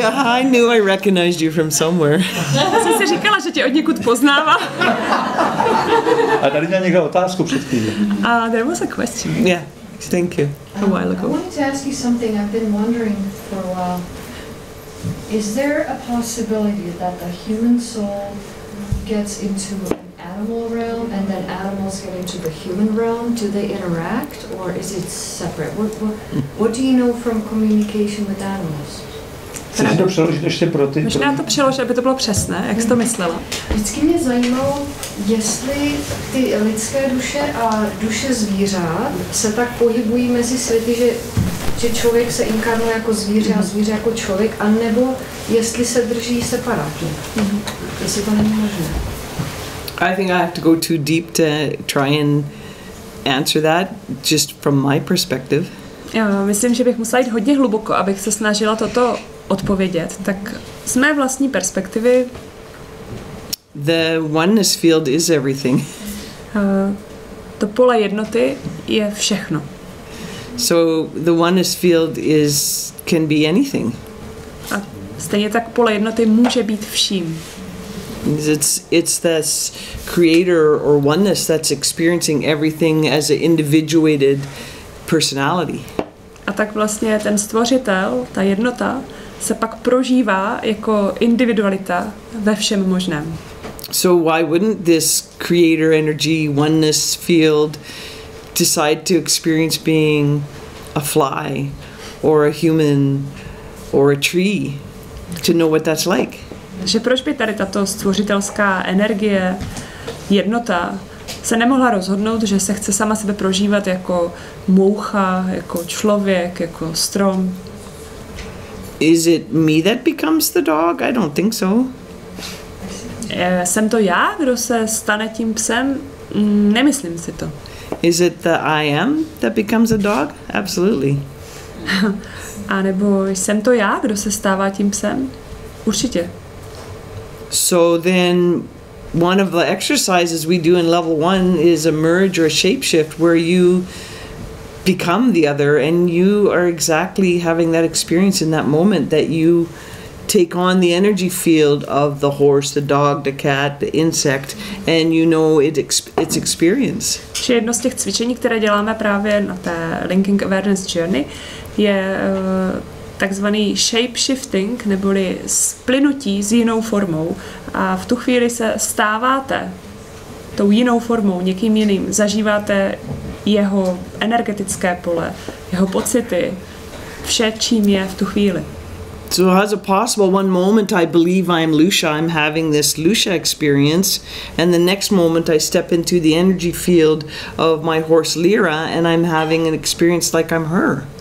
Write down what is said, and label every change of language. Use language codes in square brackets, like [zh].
[en] I knew I recognized you from somewhere. [cs] Já jsem si říkala, že tě od někud poznává. A tady měl někdo otázku před chvíli. [en] There was a question. Yeah. Thank you. A while ago. I wanted to ask you something I've been wondering for a while. Is there a possibility that the human soul gets into an animal realm and then animals get into the human realm? Do they interact or is it separate? What do you know from communication with animals? [cs] Chceš to přeložit ještě pro ty? Možná to přeložit, aby to bylo přesné, jak jsi to myslela. Vždycky mě zajímalo, jestli ty lidské duše a duše zvířat se tak pohybují mezi světy, že člověk se inkarnuje jako zvíře a zvíře jako člověk, anebo jestli se drží separátně. Mm-hmm. Jestli to není možné. [en] I think I have to go too deep to try and answer that, just from my perspective. [cs] Já myslím, že bych musela jít hodně hluboko, abych se snažila toto odpovědět. Tak z mé vlastní perspektivy [en] the oneness field is everything. [cs] To pole jednoty je všechno. [en] So the oneness field is can be anything. [cs] A stejně tak pole jednoty může být vším. [en] It's this creator or oneness that's experiencing everything as an individuated personality. [cs] A tak vlastně ten stvořitel, ta jednota se pak prožívá jako individualita ve všem možném. [en] So why wouldn't this creator energy oneness field decide to experience being a fly or a human or a tree to know what that's like? [cs] Že proč by tady tato stvořitelská energie jednota se nemohla rozhodnout, že se chce sama sebe prožívat jako moucha, jako člověk, jako strom? [en] Is it me that becomes the dog? I don't think so. [cs] Jsem to já, kdo se stane tím psem? Nemyslím si to. [en] Is it the I am that becomes a dog? Absolutely. [cs] A nebo jsem to já, kdo se stává tím psem? Určitě. [en] So then one of the exercises we do in level one is a merge or a shapeshift where you become the other and you are exactly having that experience in that moment that you take on the energy field of the horse, the dog, the cat, the insect and you know it's experience. [cs] Že jedno z těch cvičení, které děláme právě na té Linking Awareness Journey, je takzvaný shape-shifting, neboli splynutí s jinou formou a v tu chvíli se stáváte tou jinou formou, někým jiným, zažíváte jeho energetické pole, jeho pocity, vše, čím je v tu chvíli. [en] So as a possible one moment I believe I'm Lucia, I'm having this Lucia experience, and the next moment I step into the energy field of my horse Lyra and I'm having an experience like I'm her.